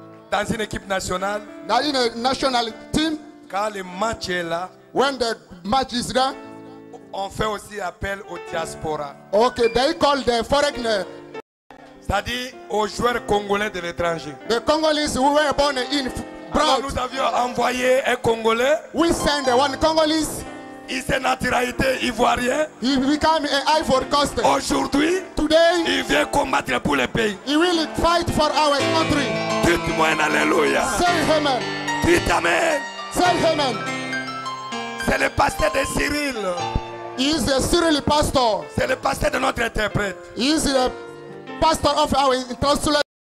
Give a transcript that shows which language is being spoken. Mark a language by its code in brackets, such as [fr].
[fr] dans une équipe nationale, [en] now in a national team, [fr] quand le match est là, [en] when the match is there, [fr] on fait aussi appel au diaspora. [en] Okay, they call the foreigner. [fr] C'est-à-dire aux joueurs congolais de l'étranger. [en] The Congolese who were born in. [fr] Alors nous avions envoyé un Congolais. [en] We send one Congolese. [fr] Il s'est naturalisé ivoirien. [en] He became an Ivory Coast. [fr] Aujourd'hui, [en] today, [fr] il vient combattre pour le pays. [en] He will fight for our country. [fr] Dites-moi un alléluia. [en] Say amen. [fr] Dites amen. [en] Say amen. [fr] C'est le pasteur de Cyril. [en] He is a Cyril pastor. [fr] C'est le pasteur de notre interprète. [en] He is the pastor of our translator.